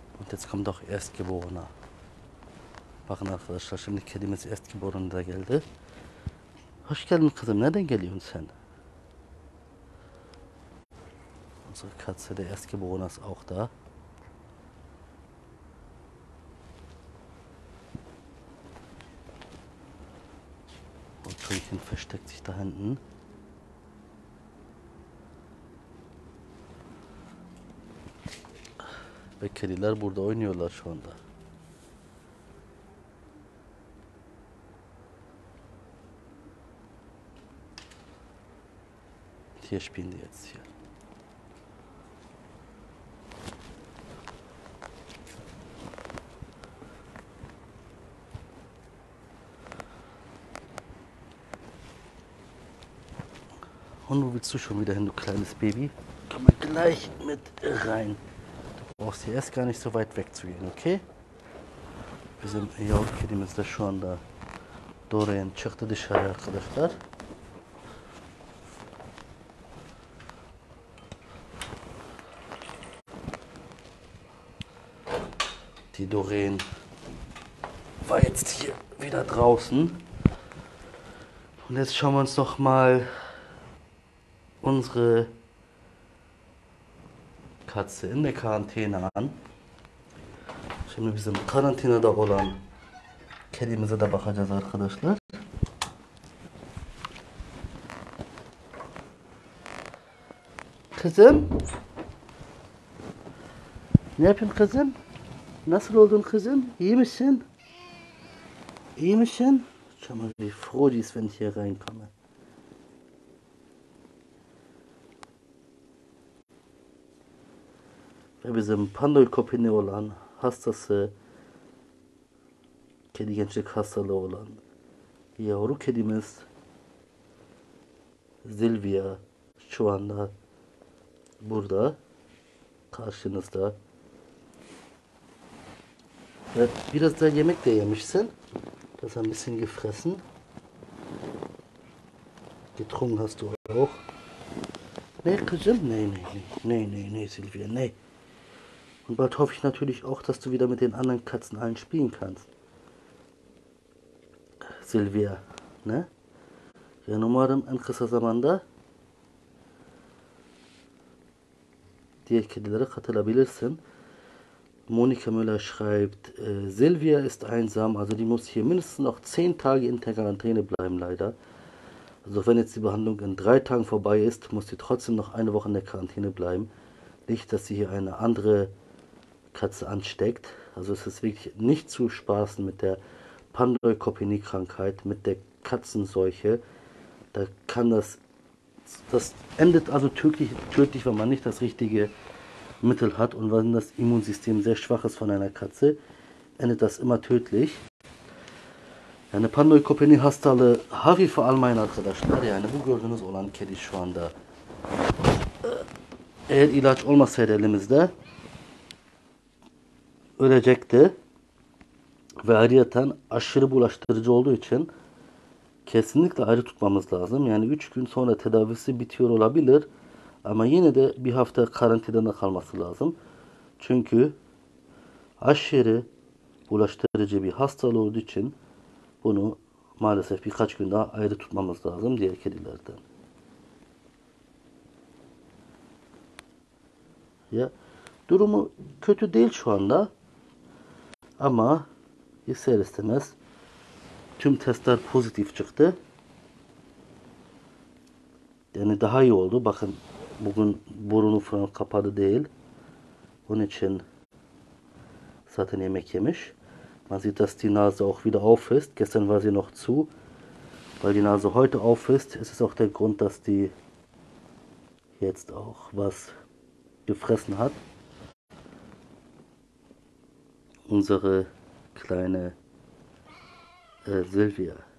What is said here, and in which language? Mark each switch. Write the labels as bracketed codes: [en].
[de] Jetzt kommt auch Erstgeborener. [tr] Bak arkadaşlar, şimdi kedimiz Erstgeborener da geldi. Hoş geldin kızım, nereden geliyorsun sen? [de] Unsere Katze, der Erstgeborener ist auch da. Und Tönchen versteckt sich da hinten. [tr] Ve kediler burada oynuyorlar şu anda. [de] Hier spielen die jetzt hier. Und wo willst du schon wieder hin, du kleines Baby? Komm mal gleich mit rein. Du brauchst hier erst gar nicht so weit weg zu gehen, okay? [tr] Bizim yavru kedimiz de şu anda Dorian çıktı dışarı arkadaşlar. [de] Die Dorian war jetzt hier wieder draußen. Und jetzt schauen wir uns noch mal unsere Katze in der Quarantäne an. [tr] Şimdi bizim karantinada olan kedimize de bakacağız arkadaşlar. Kızım. Ne yapayım kızım? Nasıl oldun kızım? İyi misin? İyi misin? [de] Schau mal wie froh die ist, wenn ich hier reinkomme. [tr] Ve bizim Pandol köpeğine olan hastası, kedi gençlik hastalığı olan yavru kedimiz Zilvia şu anda burada karşınızda. Ve biraz daha yemek de yemişsin. [de] Das ein bisschen gefressen. Getrunken hast du auch. Nee, Kuzum? Nee, nee, nee. Nee, nee, nee, Silvia, nee. Und bald hoffe ich natürlich auch, dass du wieder mit den anderen Katzen allen spielen kannst. Silvia, ne? [tr] Ja, umarım en kısa zamanda diğer kedilere katılabilirsin. [de] Monika Müller schreibt, Silvia ist einsam, also die muss hier mindestens noch 10 Tage in der Quarantäne bleiben, leider. Also wenn jetzt die Behandlung in 3 Tagen vorbei ist, muss sie trotzdem noch eine Woche in der Quarantäne bleiben. Nicht, dass sie hier eine andere Katze ansteckt. Also es ist wirklich nicht zu spaßen mit der Pandeukopenie-Krankheit, mit der Katzenseuche. Da kann das, das endet also tödlich, tödlich, wenn man nicht das richtige Mittel hat, und wenn das Immunsystem sehr schwach ist von einer Katze, endet das immer tödlich. [tr] Eine Pandeukopenie hastalı Harry [de] vor allem mein [tr] arkadaşlar, yani bu gördüğünüz olan kedi şu anda. Eğer ilaç olmasaydı elimizde ölecekti. Ve ayrıca aşırı bulaştırıcı olduğu için kesinlikle ayrı tutmamız lazım. Yani 3 gün sonra tedavisi bitiyor olabilir. Ama yine de bir hafta karantinada kalması lazım. Çünkü aşırı bulaştırıcı bir hastalığı olduğu için bunu maalesef birkaç gün daha ayrı tutmamız lazım diğer kedilerden. Ya, durumu kötü değil şu anda. Ama ister istemez tüm testler pozitif çıktı. Yani daha iyi oldu. Bakın bugün burnu falan kapadı değil. Onun için zaten yemek yemiş. [de] Man sieht, dass die Nase auch wieder auf ist. Gestern war sie noch zu. Weil die Nase heute auf ist, ist es auch der Grund, dass die jetzt auch was gefressen hat. Unsere kleine Silvia.